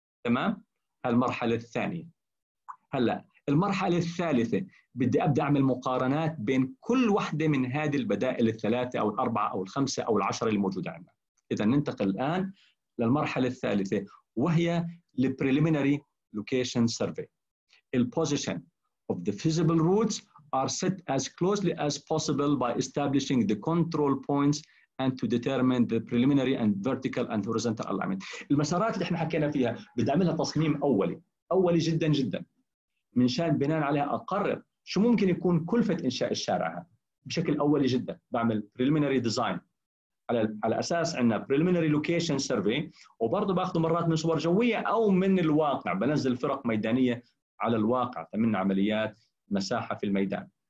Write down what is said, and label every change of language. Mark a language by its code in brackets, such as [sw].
[ar] تمام، هالمرحله الثانيه. هلا المرحله الثالثه بدي ابدا اعمل مقارنات بين كل وحده من هذه البدائل الثلاثه او الاربعه او الخمسه او العشره اللي موجوده عندنا. اذا ننتقل الان للمرحله الثالثه وهي البريليمينري location survey. [en] The position of the feasible routes are set as closely as possible by establishing the control points and to determine the preliminary and vertical and horizontal alignment. [ar] المسارات اللي احنا حكينا فيها بدي اعملها تصميم اولي اولي جدا جدا منشان بناء عليها اقرر شو ممكن يكون كلفة انشاء الشارع بشكل اولي جدا. بعمل preliminary design على اساس عندنا preliminary location survey وبرضه باخذ مرات من صور جويه او من الواقع بنزل فرق ميدانيه على الواقع تمن عمليات مساحه في الميدان.